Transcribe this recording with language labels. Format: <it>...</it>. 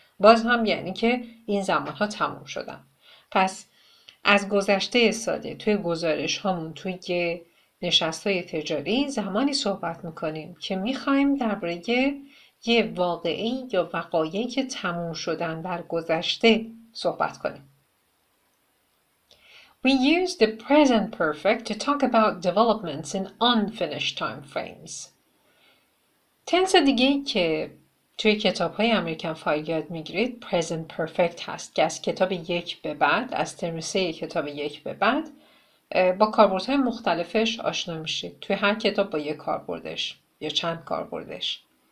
<fa>باز هم یعنی که این زمان‌ها تموم شدن. پس از گذشته ساده توی گزارش هامون توی نشست‌های تجاری زمانی صحبت می‌کنیم که می‌خوایم درباره یه واقعی یا وقایعی که تموم شدن در گذشته صحبت کنیم.</fa> <en>We use the present perfect to talk about developments in unfinished time frames.</en> <fa>تنس دیگه که توی کتاب‌های امریکن فایل یاد می‌گیرید present perfect هست که از کتاب یک به بعد، از ترم 3 کتاب یک به بعد با کاربردهای مختلفش آشنا میشید. توی هر کتاب با یک کاربردش یا چند کاربردش.</fa>